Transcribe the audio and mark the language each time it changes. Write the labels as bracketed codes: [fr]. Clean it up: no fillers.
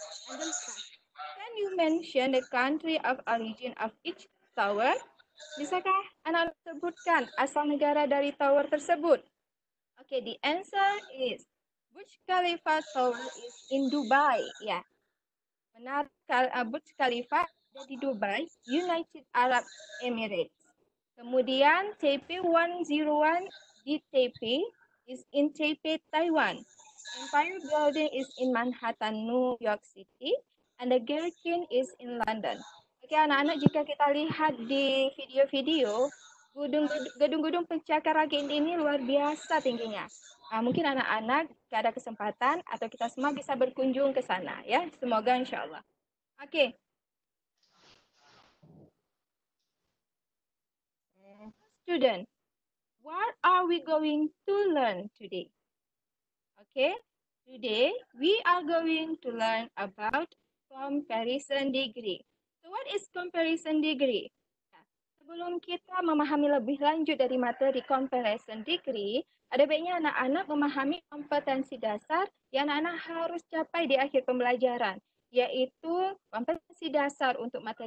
[en] Can you mention the country of origin of each tower? [id] Bisakah anak sebutkan asal negara dari tower tersebut? [en] Okay, the answer is Burj Khalifa Tower is in Dubai. [id] Yeah. Menara Burj Khalifa ada di Dubai, United Arab Emirates. Kemudian Taipei 101 di Taipei [en] is in Taipei, Taiwan. Empire Building is in Manhattan, New York City, and the Gherkin is in London. [id] Oke, anak-anak, jika kita lihat di video-video, gedung-gedung pencakar langit ini luar biasa tingginya. Nah, mungkin anak-anak ada kesempatan atau kita semua bisa berkunjung ke sana, ya. Semoga insya Allah. Oke. [en] Student, what are we going to learn today? Okay, today we are going to learn about comparison degree. So what is comparison degree? [id] Nah, sebelum kita memahami lebih lanjut dari materi comparison degree, ada baiknya anak-anak memahami kompetensi dasar yang anak-anak harus capai di akhir pembelajaran, yaitu kompetensi dasar untuk